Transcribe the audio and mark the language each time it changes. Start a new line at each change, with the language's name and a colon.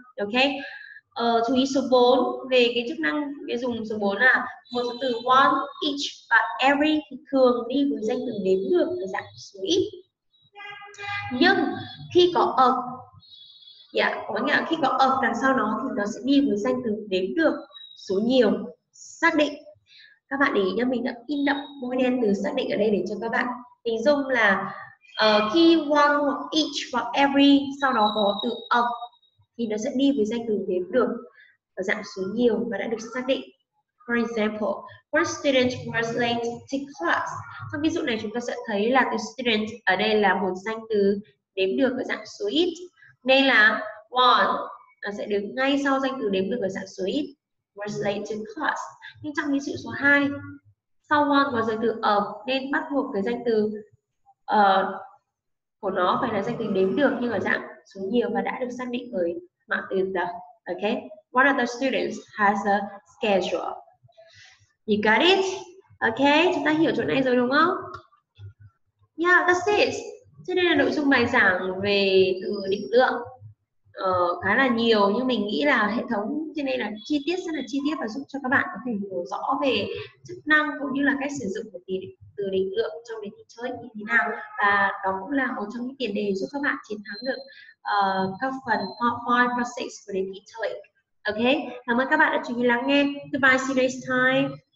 Vietnamese: Ok, chú ý số 4 về cái chức năng cái dùng số 4 là một số từ one, each và every thì thường đi với danh từ đếm được ở dạng số ít, nhưng khi có of, có nghĩa là khi có of đằng sau nó thì nó sẽ đi với danh từ đếm được số nhiều xác định. Các bạn để ý nhá, mình đã in đậm bôi đen từ xác định ở đây để cho các bạn hình dung là khi one hoặc each hoặc every sau đó có từ of thì nó sẽ đi với danh từ đếm được ở dạng số nhiều và đã được xác định.
English: For example, one student was late to class.
Vietnamese: Trong ví dụ này chúng ta sẽ thấy là the student ở đây là một danh từ đếm được ở dạng số ít, nên là one nó sẽ đứng ngay sau danh từ đếm được ở dạng số ít,
English: was late to class.
Vietnamese: Nhưng trong ví dụ số 2, sau want có danh từ of nên bắt buộc cái danh từ của nó phải là danh từ đếm được nhưng ở dạng số nhiều và đã được xác định với mạng từ the.
English: Okay, one of the students has a schedule. You got it?
Vietnamese: Okay, chúng ta hiểu chỗ này rồi đúng không?
English: Yeah, that's it.
Vietnamese: Thế đây là nội dung bài giảng về từ định lượng. Khá là nhiều nhưng mình nghĩ là hệ thống trên đây là chi tiết rất là chi tiết và giúp cho các bạn có thể hiểu rõ về chức năng cũng như là cách sử dụng của từ định lượng trong đề thi chơi như thế nào, và đó cũng là một trong những tiền đề giúp các bạn chiến thắng được các phần PowerPoint process của đề thi chơi. Ok, cảm ơn các bạn đã chú ý lắng nghe.
English: Goodbye, see you next time.